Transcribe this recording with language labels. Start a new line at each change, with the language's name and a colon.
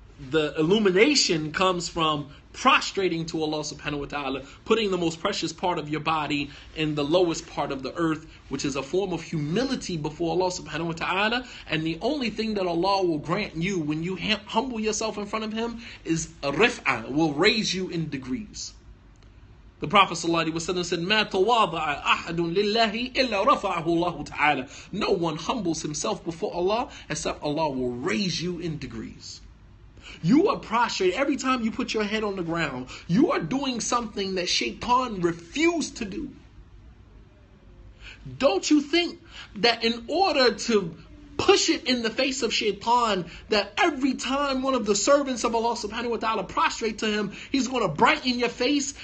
English: The illumination comes from prostrating to Allah subhanahu wa ta'ala, putting the most precious part of your body in the lowest part of the earth, which is a form of humility before Allah subhanahu wa ta'ala. And the only thing that Allah will grant you when you humble yourself in front of Him is rif'a, will raise you in degrees. The Prophet sallallahu alaihi wasallam said,
Arabic: مَا تَوَاضَعَ أَحَدٌ لِلَّهِ إِلَّا رَفَعَهُ اللَّهُ تَعَالَى.
English: No one humbles himself before Allah except Allah will raise you in degrees. You are prostrate every time you put your head on the ground. You are doing something that Shaitan refused to do. Don't you think that in order to push it in the face of Shaitan, that every time one of the servants of Allah subhanahu wa ta'ala prostrate to Him, He's going to brighten your face.